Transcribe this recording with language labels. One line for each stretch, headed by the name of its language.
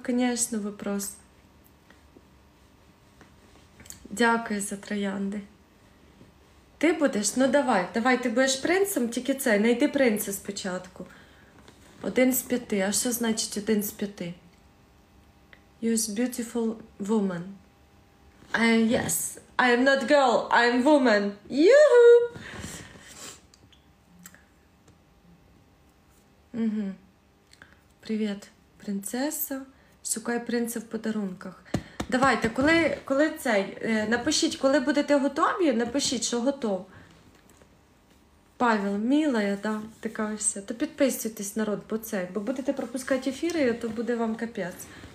Ukrainian: Звісно, вопрос. Дякую за троянди. Ти будеш? Ну давай, давай, ти будеш принцем, тільки це, найди принца спочатку. Один з п'яти, а що значить один з п'яти?
English: You're a beautiful woman. Yes, I am not girl, I am woman. Юху!
Ukrainian: Угу. Привіт, принцеса. Шукай принца в подарунках. Давайте, коли цей, напишіть, коли будете готові, напишіть, що готов. Павел, мила я, да, така вся. То підписуйтесь, народ, бо це, бо будете пропускати ефіри, то буде вам капець.